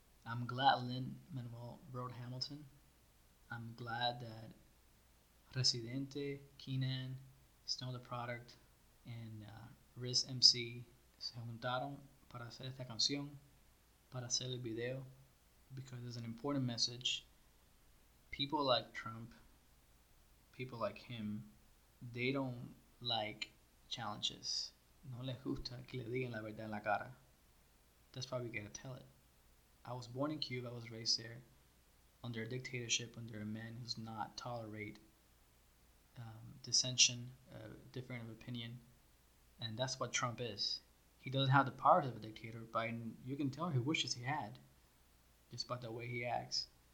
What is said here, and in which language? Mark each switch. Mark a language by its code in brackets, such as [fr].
[en] I'm glad Lin-Manuel wrote Hamilton. I'm glad that Residente, Keenan, Snow the Product, and Riz MC [es] se juntaron para hacer esta canción, para hacer el video, [en] because it's an important message. People like Trump, people like him, they don't like challenges. [es] No les gusta que le digan la verdad en la cara. [en] That's why we gotta tell it. I was born in Cuba, I was raised there, under a dictatorship, under a man who's not tolerate dissension, different of opinion, and that's what Trump is. He doesn't have the powers of a dictator, but you can tell he wishes he had, just by the way he acts.